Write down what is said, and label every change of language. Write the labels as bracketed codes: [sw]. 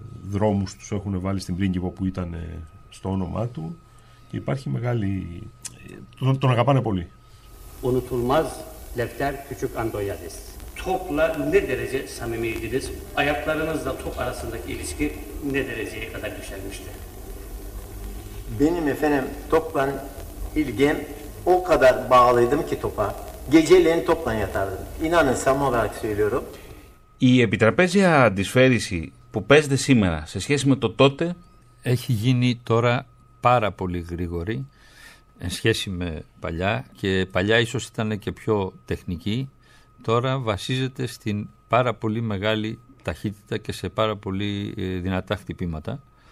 [el] Δρόμους τους έχουν βάλει στην Πρίγκιπο που ήταν στο όνομά του. Και υπάρχει μεγάλη. Τον αγαπάνε πολύ. [tr] Unutulmaz Λευτέρ Küçük Αντωνιάδης. Topla ne derece samimiydiniz? Ayaklarınızla top arasındaki ilişki ne dereceye kadar yükselmişti? Benim efendim topla ilgim o kadar bağlıydım ki topa. Geceleyin topla yatardım. İnanın samimi olarak söylüyorum. [el] Η επιτραπέζια αντισφαίριση που παίζεται σήμερα σε σχέση με το τότε έχει γίνει τώρα πάρα πολύ γρήγορη εν σχέση με παλιά, και παλιά ίσως ήταν και πιο τεχνική. Τώρα βασίζεται στην πάρα πολύ μεγάλη ταχύτητα και σε πάρα πολύ δυνατά χτυπήματα.